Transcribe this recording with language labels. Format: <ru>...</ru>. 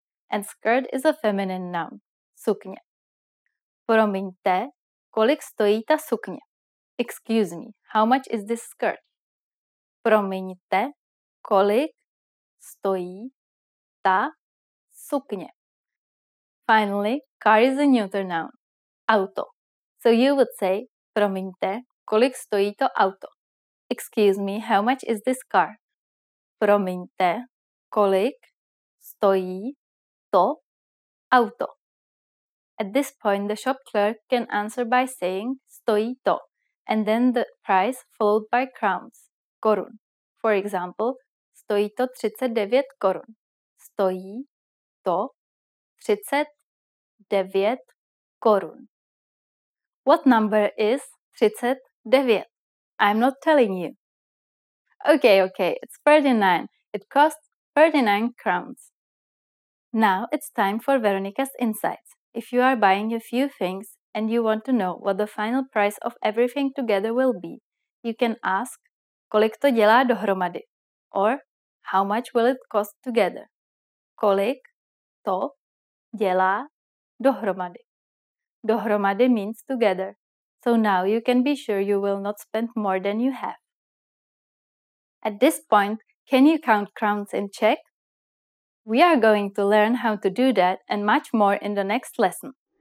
<en>And skirt is a feminine noun, sukně.</en> <cs>Promiňte, kolik stojí ta sukně?</cs> <en>Excuse me, how much is this skirt?</en> <cs>Promiňte, kolik stojí ta sukně.</cs> <en>Finally, car is a neuter noun. Auto. So you would say,</en> <cs>Promiňte, kolik stojí to auto?</cs> <en>Excuse me, how much is this car?</en> <cs>Promiňte, kolik stojí to auto?</cs> <en>At this point, the shop clerk can answer by saying,</en> <cs>Stojí to.</cs> <en>And then the price followed by crowns, korun. For example,</en> <cs>Stojí to 39 korun. Stojí to 39 korun.</cs> <en>What number is 39? I'm not telling you. Okay, it's 39. It costs 39 crowns. Now it's time for Veronica's insights. If you are buying a few things and you want to know what the final price of everything together will be, you can ask</en> <cs>Kolik to dělá dohromady?</cs> <en>Or how much will it cost together?</en> <cs>Kolik to dělá dohromady.</cs> <en>Dohromady means together. So now you can be sure you will not spend more than you have. At this point, can you count crowns in Czech? We are going to learn how to do that and much more in the next lesson.</en>